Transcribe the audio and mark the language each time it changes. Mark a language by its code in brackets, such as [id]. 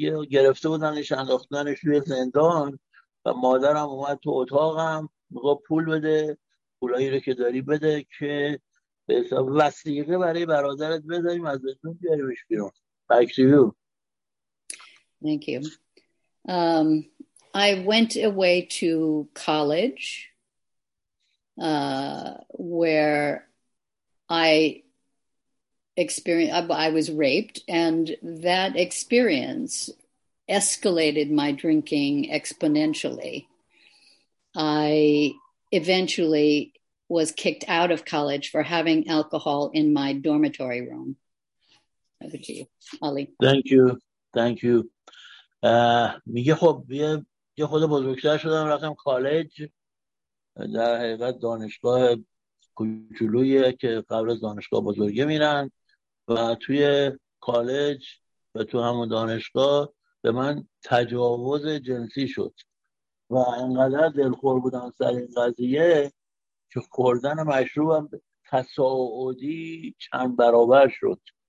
[fa] گرفته بودنش، انداختنش روی زندان و مادرم اومد تو اتاقم، میگه پول بده، پولایی رو که داری بده که به حساب وثیقه برای برادرت بذاریم از زندان بیاریمش بیرون. [en] Back to you. Thank you. I went away to college where I was raped, and that experience escalated my drinking exponentially. I eventually was kicked out of college for having alcohol in my dormitory room. Over to you, Ali. Thank you. [fa] میگه خب یه خود بزرگتر شدم، رفتم کالج، در حقیقت دانشگاه کوچولویه که قبل از دانشگاه بزرگه میرن، و توی کالج و تو همون دانشگاه به من تجاوز جنسی شد و انقدر دلخور بودم سر این قضیه که خوردن مشروبم تصاعدی چند برابر شد